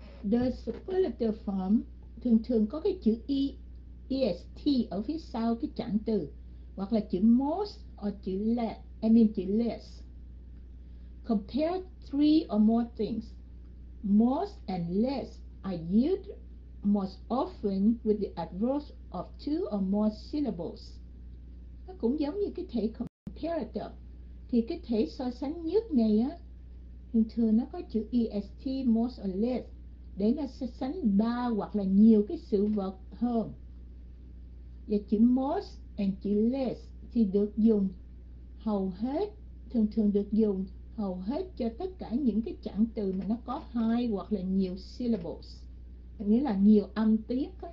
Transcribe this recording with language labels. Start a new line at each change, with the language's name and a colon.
English: The superlative form
Vietnamese: thường thường có cái chữ est ở phía sau cái trạng từ, hoặc là chữ most or chữ less,
English: I mean
Vietnamese: chữ less.
English: Compare three or more things. Most and less are used most often with the adverbs of two or more syllables.
Vietnamese: Nó cũng giống như cái thể comparative. Thì cái thể so sánh nhất này á, thường thường nó có chữ est, most or less, để nó so sánh ba hoặc là nhiều cái sự vật hơn. Và chữ most and chữ less thì được dùng hầu hết, thường thường được dùng hầu hết cho tất cả những cái trạng từ mà nó có hai hoặc là nhiều syllables, nghĩa là nhiều âm tiết.